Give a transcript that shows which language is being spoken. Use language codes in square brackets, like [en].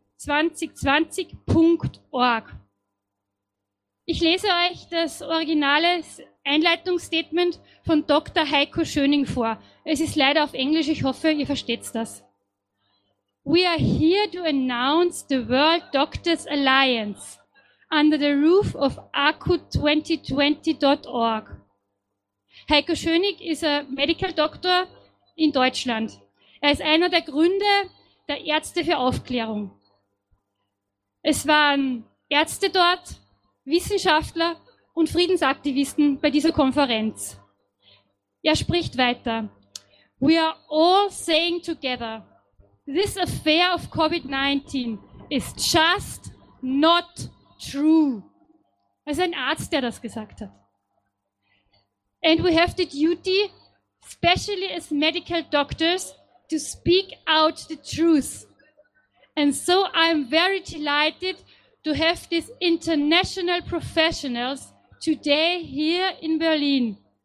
[de] acu2020.org. Ich lese euch das originale Einleitungsstatement von Dr. Heiko Schöning vor. Es ist leider auf Englisch, ich hoffe, ihr versteht das. [en] We are here to announce the World Doctors Alliance under the roof of acu2020.org. [de] Heiko Schöning ist ein Medical Doctor in Deutschland. Er ist einer der Gründer der Ärzte für Aufklärung. Es waren Ärzte dort, Wissenschaftler und Friedensaktivisten bei dieser Konferenz. Er spricht weiter. [en] We are all saying together, this affair of COVID-19 is just not true. [de] Es ist ein Arzt, der das gesagt hat. [en] And we have the duty, especially as medical doctors, to speak out the truth. And so I'm very delighted to have these international professionals today here in Berlin.